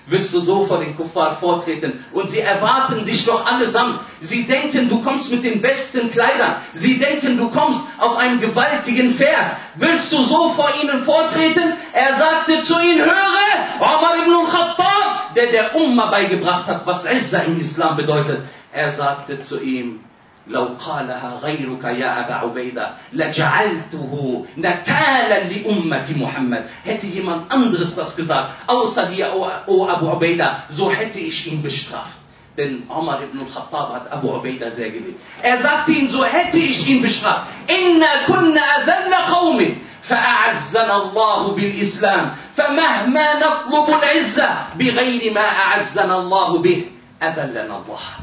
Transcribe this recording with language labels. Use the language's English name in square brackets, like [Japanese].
[German] Willst du so vor den Kuffar vortreten? Und sie erwarten dich doch allesamt. Sie denken, du kommst mit den besten Kleidern. Sie denken, du kommst auf einem gewaltigen Pferd. Willst du so vor ihnen vortreten? Er sagte zu ihnen, höre, Umar ibn al-Khattab, der Umma beigebracht hat, was Izza im Islam bedeutet. Er sagte zu ihm, [Arabic] لو قالها غيرك يا أبا عبيدة لجعلته نكالا لأمة محمد. [German] Hätte jemand anderes das gesagt, außer dir, O Abu Ubaida, so hätte ich ihn bestraft. Denn Umar ibn al-Khattab hat Abu Ubaida sehr geliebt. Er sagte ihm, so hätte ich ihn bestraft. [Arabic] إِنَّا كُنَّا أَذَلَّ قَوْمٍ فَأَعَزَّنَا اللَّهُ بِالْإِسْلَامِ فَمَهْمَا نَطْلُبُ الْعِزَّةِ بِغَيْرِ مَا أَعَزَّنَا اللَّهُ بِهِ أَذَلَّنَا اللَّهُ.